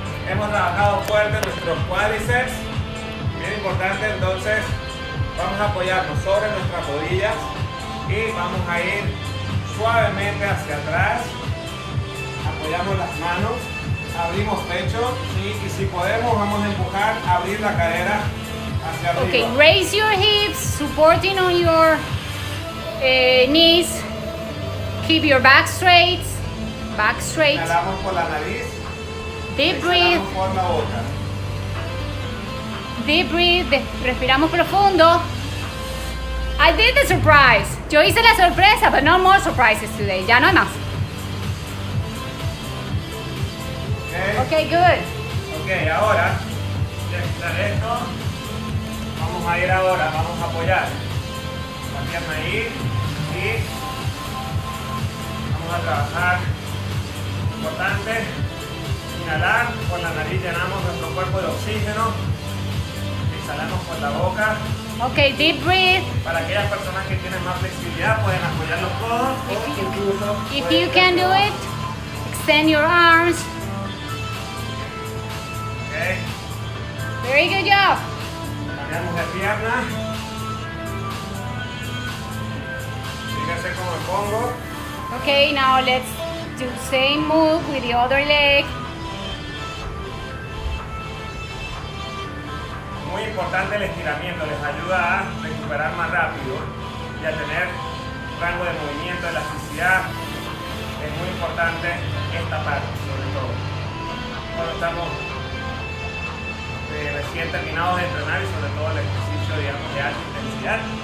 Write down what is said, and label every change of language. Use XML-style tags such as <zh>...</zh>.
<es>Hemos trabajado fuerte nuestros cuádriceps. Bien importante, entonces. Vamos a apoyarnos sobre nuestras rodillas. Y vamos a ir suavemente hacia atrás. Apoyamos las manos, abrimos pecho y si podemos vamos a empujar, abrir la cadera hacia arriba.</es> <en>Okay, raise your hips, supporting on your knees, keep your back straight, back straight.</en> <es>Inhalamos por la nariz,</es> <en>deep breathe,</en> <es>por la boca.</es> <en>Deep breathe,</en> <es>respiramos profundo.</es> <en>I did the surprise,</en> <es>yo hice la sorpresa,</es> <en>but no more surprises today,</en> <es>ya no hay más.</es> <en>Okay, good.</en> <es>Okay, ahora, ya está esto. Vamos a ir ahora, vamos a apoyar. la pierna ahí y vamos a trabajar. Importante, inhalar por la nariz, llenamos nuestro cuerpo de oxígeno, exhalamos por la boca.</es> <en>Ok, deep breathe.</en> <es>Para aquellas personas que tienen más flexibilidad pueden apoyar los codos.</es> <en>If you can do it, extend your arms. Ok. Very good job.</en> <es>Cambiamos de pierna. Fíjense cómo me pongo.</es> <en>Ok, now let's do the same move with the other leg.</en> <es>Muy importante el estiramiento, les ayuda a recuperar más rápido y a tener rango de movimiento, elasticidad. Es muy importante esta parte, sobre todo. Cuando estamos recién terminados de entrenar y sobre todo el ejercicio, digamos, de alta intensidad.</es>